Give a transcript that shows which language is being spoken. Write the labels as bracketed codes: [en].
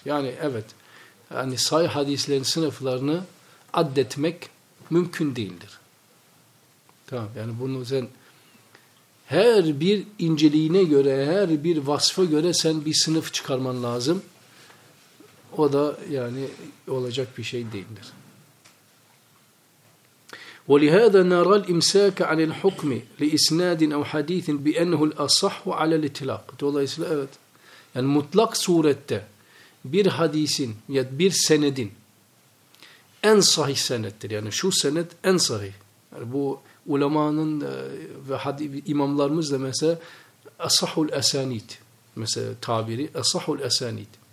[tr] Yani evet, yani sahih hadislerin sınıflarını addetmek mümkün değildir. Tamam, yani bunu sen her bir inceliğine göre, her bir vasfa göre sen bir sınıf çıkarman lazım. O da yani olacak bir şey değildir. [ar] ولهذا نرى الامساك عن الحكم لاسناد او حديث بانه الاصح على الاطلاق. [tr] Dolayısıyla evet, yani mutlak surette bir hadisin ya bir senedin en sahih senettir. Yani şu senet en sahih. Yani bu ulemanın ve imamlarımız da mesela asahul esanit mesela tabiri, asahul esanit.